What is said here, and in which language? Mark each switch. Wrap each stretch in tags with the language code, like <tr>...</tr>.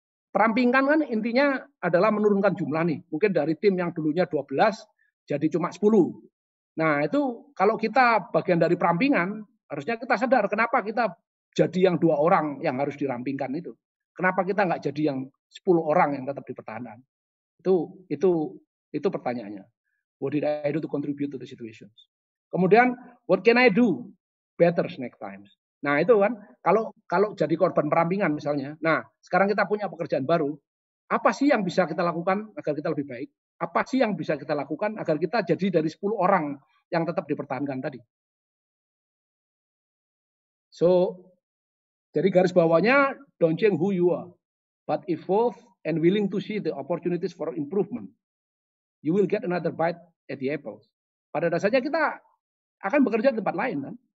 <id>Perampingan kan intinya adalah menurunkan jumlah nih. Mungkin dari tim yang dulunya 12 jadi cuma 10. Nah, itu kalau kita bagian dari perampingan, harusnya kita sadar kenapa kita jadi yang 2 orang yang harus dirampingkan itu. Kenapa kita nggak jadi yang 10 orang yang tetap dipertahankan? Itu pertanyaannya.</id> <en>What did I do to contribute to the situations?</en> <id>Kemudian,</id> <en>what can I do better next time?</en> <id>Nah, itu kan kalau jadi korban perampingan misalnya. Nah, sekarang kita punya pekerjaan baru. Apa sih yang bisa kita lakukan agar kita lebih baik? Apa sih yang bisa kita lakukan agar kita jadi dari 10 orang yang tetap dipertahankan tadi?</id> <en>So,</en> <id>jadi garis bawahnya,</id> <en>don't change who you are, but evolve and willing to see the opportunities for improvement. You will get another bite at the apples.</en> <id>Pada dasarnya kita akan bekerja di tempat lain, kan?</id>